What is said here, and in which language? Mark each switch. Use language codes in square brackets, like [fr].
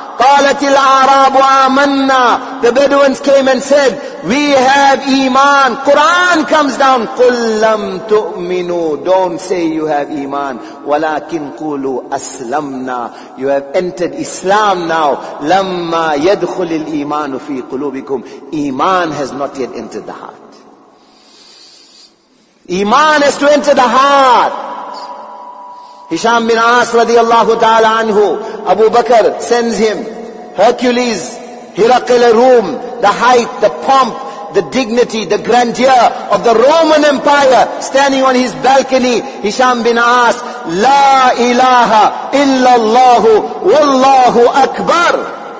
[ar] قالت العرب آمنا. [en] The Bedouins came and said, we have iman. Quran comes down. [ar] قل لم تؤمنوا. [en] Don't say you have iman. [ar] ولكن قولوا أسلمنا. [en] You have entered Islam now. [ar] لما يدخل الإيمان في قلوبكم. [en] Iman has not yet entered the heart. Iman has to enter the heart. Hisham bin As radiallahu ta'ala anhu, Abu Bakr sends him, Hercules, Hiraqil Rum, the height, the pomp, the dignity, the grandeur of the Roman Empire, standing on his balcony, Hisham bin As, La ilaha illallahu wallahu akbar.